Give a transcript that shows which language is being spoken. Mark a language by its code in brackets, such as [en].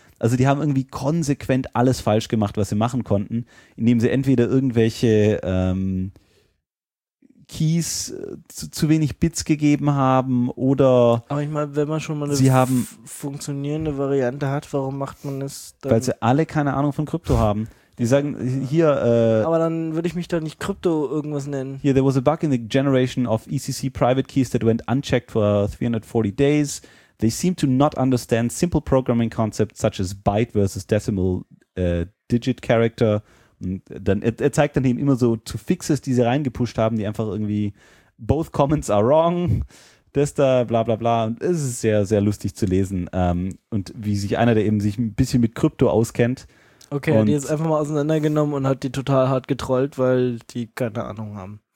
[de] Also die haben irgendwie konsequent alles falsch gemacht, was sie machen konnten, indem sie entweder irgendwelche Keys zu wenig Bits gegeben haben oder... Aber ich meine, wenn man schon mal eine funktionierende Variante hat, warum macht man es dann? Weil sie alle keine Ahnung von Krypto haben. Die sagen, hier... Aber dann würde ich mich da nicht Krypto irgendwas nennen. [en] Here, there was a bug in the generation of ECC private keys that went unchecked for 340 days. They seem to not understand simple programming concepts such as byte versus decimal digit character. [de] Und dann, er zeigt dann eben immer so zu Fixes, die sie reingepusht haben, die einfach irgendwie [en] both comments are wrong, [de] das da, bla bla bla. Und es ist sehr, sehr lustig zu lesen. Und wie sich einer, der eben sich ein bisschen mit Krypto auskennt. Okay, und die ist einfach mal auseinandergenommen und hat die total hart getrollt, weil die keine Ahnung haben.